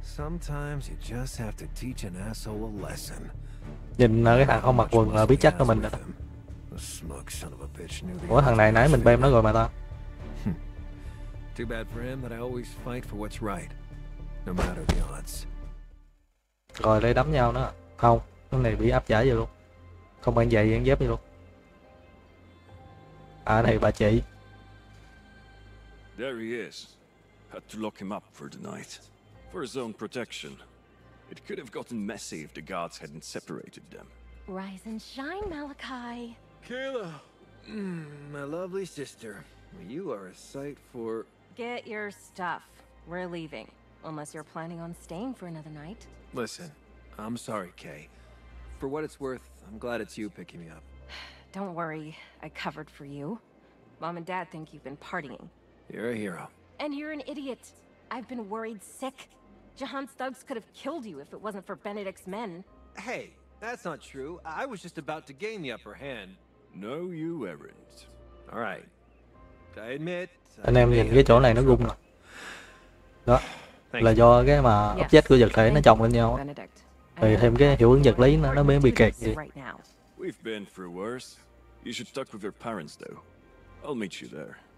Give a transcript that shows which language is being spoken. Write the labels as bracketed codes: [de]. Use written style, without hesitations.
[en] Sometimes you just have to teach an asshole a lesson. [vi] Nhìn cái thằng không mặc quần là biết chắc của mình rồi. [en] The smug son of a bitch knew [vi] the. Ủa thằng này nãy mình bêm nó rồi mà ta. [en] Too bad for him that I always fight for what's right, no matter the odds. [vi] Rồi lấy đấm nhau nữa. Không, cái này bị áp giải vậy luôn. Không ăn giày ăn dép vậy luôn. À này bà chị. [en] There he is. Had to lock him up for the night. For his own protection. It could have gotten messy if the guards hadn't separated them. Rise and shine, Malachi. Kayla. My lovely sister. You are a sight for. Get your stuff. We're leaving. Unless you're planning on staying for another night. Listen, I'm sorry, Kay. For what it's worth, I'm glad it's you picking me up. Don't worry, I covered for you. Mom and Dad think you've been partying. You're a hero. And you're an idiot. I've been worried sick. Jahan's thugs could have killed you if it wasn't for Benedict's men. Hey, that's not true. I was just about to gain the upper hand. No, you weren't. All right. I admit. [vi] Anh em nhìn cái chỗ này nó rung rồi. Đó. Là do cái mà áp chế của vật thể nó chồng lên nhau. Thì thêm cái hiệu ứng vật lý nó mới bị kẹt gì. [en] We've been through worse. You should talk with your parents, though. I'll meet you there.